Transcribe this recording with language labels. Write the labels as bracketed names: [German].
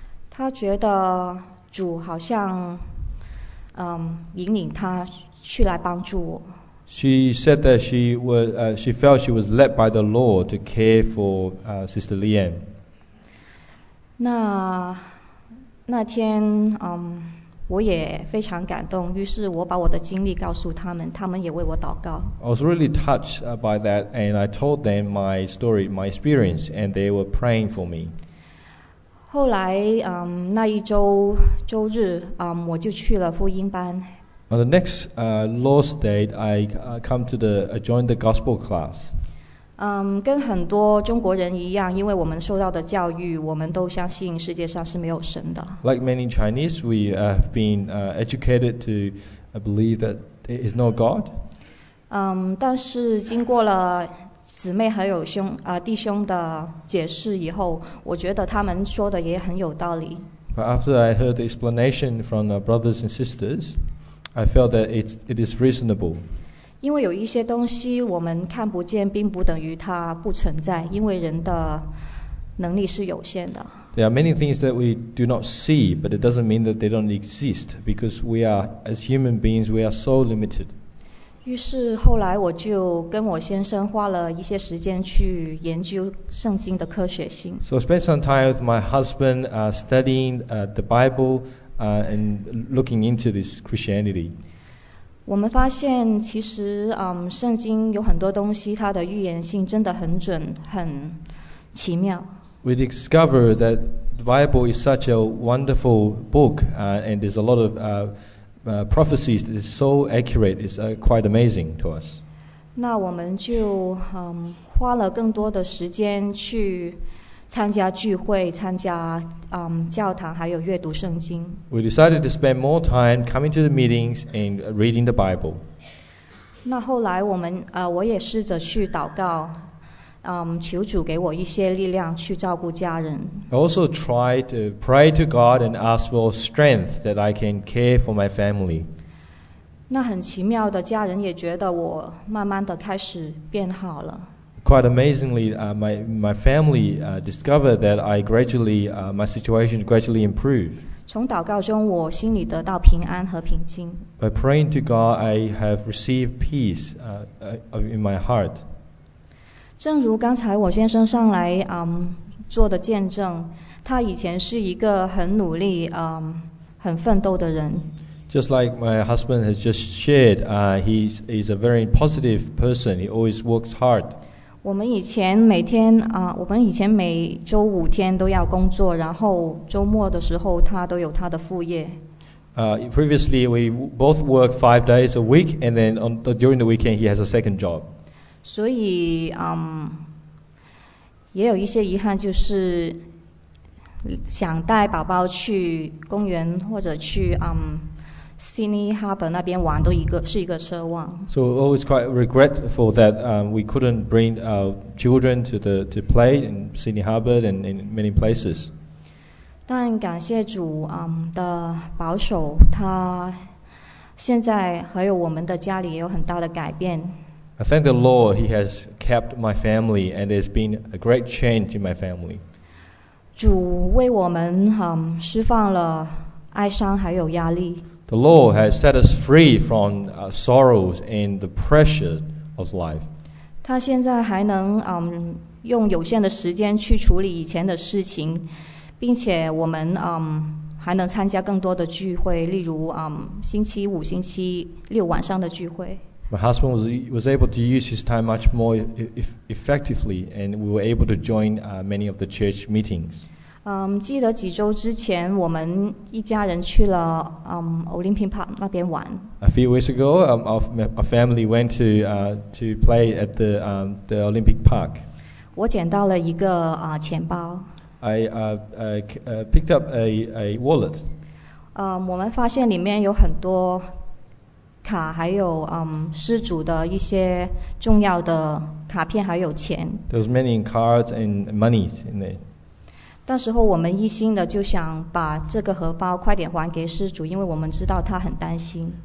[Chinese] 她觉得主好像引领她去来帮助我。 [English] She said that she felt she was led by the Lord to care for Sister Leanne. [Chinese] 那天我也非常感动，于是我把我的经历告诉他们，他们也为我祷告。 [English] I was really touched by that, and I told them my story, my experience, and they were praying for me. [Chinese] 后来那一周日我就去了福音班。 [English] On the next Lord's Day, I joined the gospel class. [Chinese] 跟很多中国人一样，因为我们受到的教育，我们都相信世界上是没有神的。 [English] Like many Chinese, we have been educated to believe that there is no God. [Chinese] 但是经过了姊妹还有弟兄的解释以后，我觉得他们说的也很有道理。 [English] But after I heard the explanation from the brothers and sisters,I felt that it is reasonable. [Chinese] 因为有一些东西我们看不见，并不等于它不存在，因为人的能力是有限的。 [English] There are many things that we do not see, but it doesn't mean that they don't exist, because we are, as human beings, we are so limited. [Chinese] 于是后来我就跟我先生花了一些时间去研究圣经的科学性。 [English] So I spent some time with my husband studying the Bible,and looking into this Christianity. [Chinese] 我们发现其实圣经有很多东西它的预言性真的很准，很奇妙。 [English] We discover that the Bible is such a wonderful book, and there's a lot of prophecies that is so accurate, it's quite amazing to us. [Chinese] 那我们就花了更多的时间去参加聚会，参加教堂，还有阅读圣经。 [English] We decided to spend more time coming to the meetings and reading the Bible. [Chinese] 那后来我也试着去祷告，求主给我一些力量去照顾家人。 [English] I also try to pray to God and ask for strength that I can care for my family. [Chinese] 那很奇妙的，家人也觉得我慢慢的开始变好了。 [English] Quite amazingly, my family discovered that I gradually my situation gradually improved. [Chinese] 从祷告中，我心里得到平安和平静。 [English] By praying to God, I have received peace in my heart. [Chinese] 正如刚才我先生上来做的见证，他以前是一个很努力很奋斗的人。 [English] Just like my husband has just shared, he's a very positive person. He always works hard. [Chinese] 我们以前每天我们以前每周五天都要工作，然后周末的时候他都有他的副业。 [English] Previously, we both work 5 days a week, and then during the weekend, he has a second job. [Chinese] 所以也有一些遗憾，就是想带宝宝去公园或者去Sydney Harbour 那边玩，都是一个奢望。 [English] So we're always quite regretful that we couldn't bring our children to play in Sydney Harbour and in many places. [Chinese] 但感谢主的保守，他现在还有我们的家里也有很大的改变。 [English] I thank the Lord he has kept my family and there's been a great change in my family. [Chinese] 主为我们释放了哀伤还有压力。 [English] The Lord has set us free from sorrows and the pressure of life. [Chinese] 他现在还能用有限的时间去处理以前的事情，并且我们还能参加更多的聚会，例如星期五、星期六晚上的聚会。 [English] My husband was able to use his time much more effectively, and we were able to join many of the church meetings. [Chinese] 记得几周之前，我们一家人去了Olympic Park 那边玩。 [English] A few weeks ago, our family went to play at the Olympic Park. [Chinese] 我捡到了一个钱包。 [English] I picked up a wallet. [Chinese] 我们发现里面有很多。卡还有失主的一些重要的卡片还有钱。 [English] There was many cards and monies in there. [Chinese] 当时候我们一心的就想把这个荷包快点还给失主，因为我们知道他很担心。